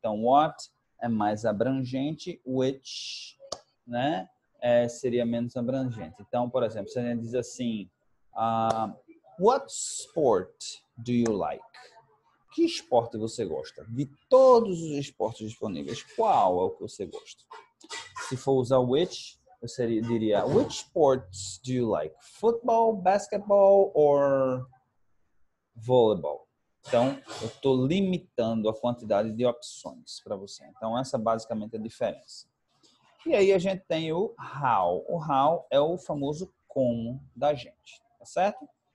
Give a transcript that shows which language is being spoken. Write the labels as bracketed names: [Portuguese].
[Portuguese] Então, what é mais abrangente, which, né, seria menos abrangente. Então, por exemplo, se a gente diz assim, [English] what sport do you like? [Portuguese] Que esporte você gosta? De todos os esportes disponíveis, qual é o que você gosta? Se for usar which, eu diria, [English] which sports do you like? Football, basketball or volleyball? [Portuguese] Então, eu estou limitando a quantidade de opções para você. Então, essa basicamente é a diferença. E aí a gente tem o how. O how é o famoso como da gente, tá certo?